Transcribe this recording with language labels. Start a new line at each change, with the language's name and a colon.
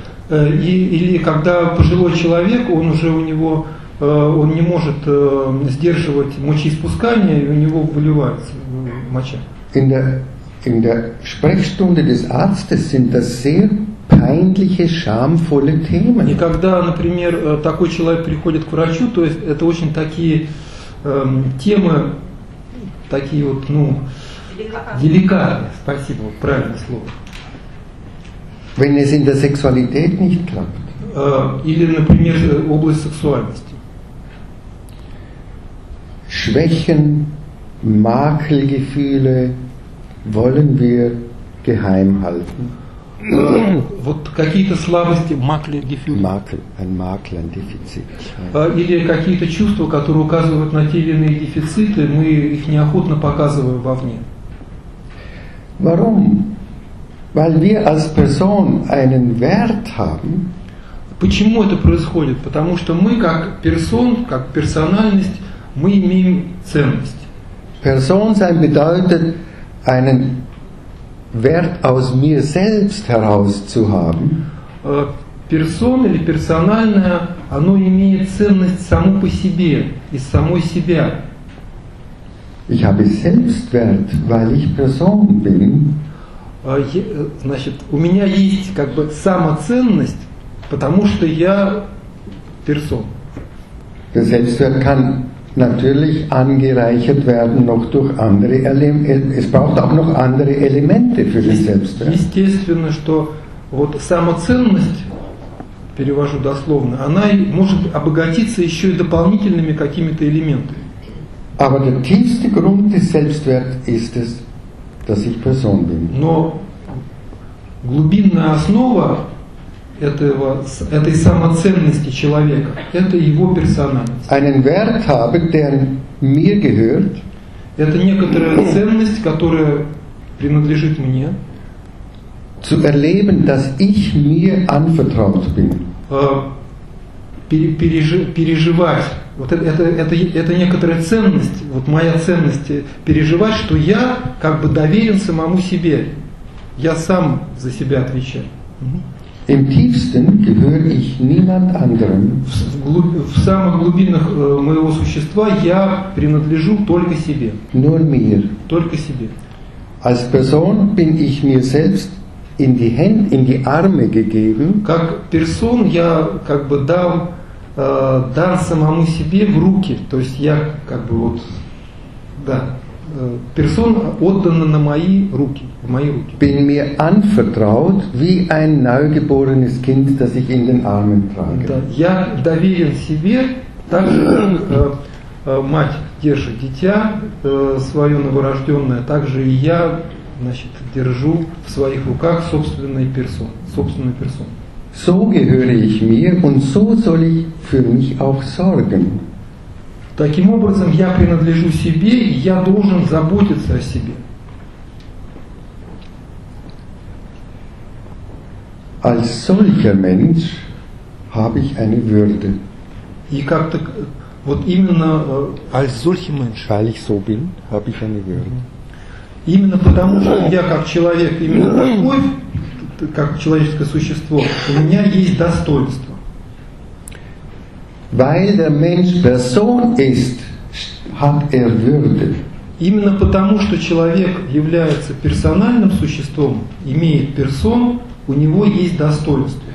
Russian: Или когда пожилой человек, он уже у него, он не может сдерживать мочеиспускание, и у него выливается моча.
German: In der Sprechstunde des Arztes sind das sehr peinliche, schamvolle Themen.
Russian: И когда, например, такой человек приходит к врачу, то есть это очень такие темы, такие вот, ну, деликатные. Спасибо, правильное слово.
German: Wenn es in der Sexualität nicht klappt.
Russian: Или, например, область сексуальности.
German: Schwächen, Makelgefühle wollen wir geheim halten.
Russian: Вот какие-то слабости, Makelgefühle.
German: Makel, ein Makel, ein Defizit.
Russian: Или какие-то чувства, которые указывают на те или иные дефициты, мы их неохотно показываем вовне.
German: Warum? Weil wir als Person einen Wert haben.
Russian: Почему это происходит? Потому что мы как Person, как персональность, мы имеем ценность.
German: Person sein bedeutet, einen Wert aus mir selbst heraus zu haben.
Russian: Person или персональное, оно имеет ценность само по себе, из самой себя.
German: Ich habe Selbstwert, weil ich Person bin.
Russian: Значит, у меня есть как бы самоценность, потому что я персон.
German: Der Selbstwert kann natürlich angereichert werden noch durch andere Elemente. Es braucht auch noch andere Elemente für den Selbstwert.
Russian: Естественно, что вот самоценность, перевожу дословно, она может обогатиться еще и дополнительными какими-то элементами.
German: Aber der tiefste Grund des Selbstwert ist es, dass ich Person bin.
Russian: Но глубинная основа этого, этой самоценности человека – это его персональность.
German: Einen Wert habe, der mir gehört.
Russian: Это некоторая ценность, которая принадлежит мне.
German: Zu erleben, dass ich mir anvertraut bin.
Russian: переживать. Вот это некоторая ценность, вот моя ценность переживать, что я как бы доверен самому себе. Я сам за себя отвечаю.
German: Im tiefsten gehöre ich niemand anderem.
Russian: В самых глубинах моего существа я принадлежу только себе.
German: Nur mir.
Russian: Только себе.
German: Als Person bin ich mir selbst in die Hände, in die Arme gegeben.
Russian: Как персон я как бы дал дан самому себе в руки, то есть я как бы вот да. Person отдана на мои руки, в мои руки.
German: Bin mir anvertraut wie ein neugeborenes Kind, das ich in den Armen trage.
Russian: Да, я доверен себе, так же мать держит дитя свое новорожденное, так же и я, значит, держу в своих руках собственную персону.
German: So gehöre ich mir und so soll ich für mich auch sorgen.
Russian: Таким образом, я принадлежу себе, и я должен заботиться о себе.
German: Als solcher Mensch habe ich eine Würde.
Russian: И как-то вот именно
German: als solcher Mensch, weil ich so bin, habe ich eine Würde.
Russian: Именно потому, что я как человек, именно такой, как человеческое существо, у меня есть достоинство.
German: Weil der Mensch Person ist, hat Würde.
Russian: Именно потому, что человек является персональным существом, имеет персон, у него есть достоинство.